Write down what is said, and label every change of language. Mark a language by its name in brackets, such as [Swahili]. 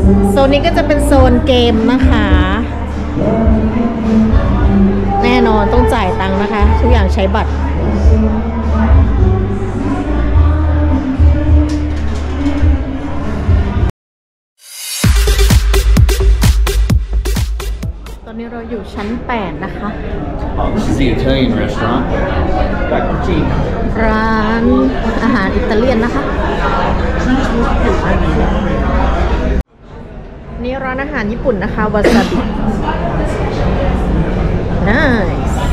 [Thai] โซนนี้ก็จะเป็นโซนเกมนะคะแน่นอนต้องจ่ายตังค์นะคะทุกอย่างใช้บัตรตอนนี้เราอยู่ชั้น8นะคะ [English] This is the Italian restaurant Back to Jean [Thai] ร้านอาหารอิตาเลียนนะคะนี่ร้านอาหารญี่ปุ่นนะคะวาซาบิ Nice